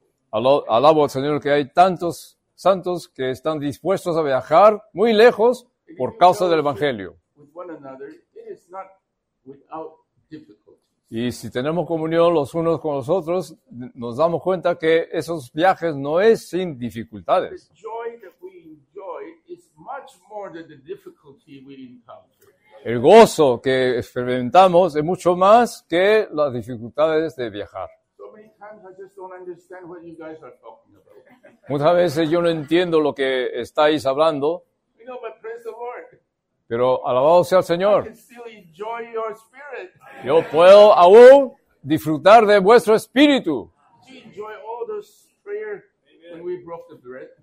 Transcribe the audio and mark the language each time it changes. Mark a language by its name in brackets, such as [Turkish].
[Spanish] Alabo al Señor que hay tantos santos que están dispuestos a viajar muy lejos por causa del Evangelio. [English] With one another, it is not without difficulty. [Spanish] Y si tenemos comunión los unos con los otros, nos damos cuenta que esos viajes no es sin dificultades. [English] The joy that we enjoy is much more than the difficulty we encounter. [Spanish] El gozo que experimentamos es mucho más que las dificultades de viajar. [English] So many times I just don't understand what you guys are talking about. [Spanish] Muchas veces yo no entiendo lo que estáis hablando. [English] No, but praise the Lord. [Spanish] Pero alabado sea el Señor. [English] I can still enjoy your spirit. [Spanish] Yo puedo aún disfrutar de vuestro espíritu. [English] Do you enjoy all this prayer when we broke the bread?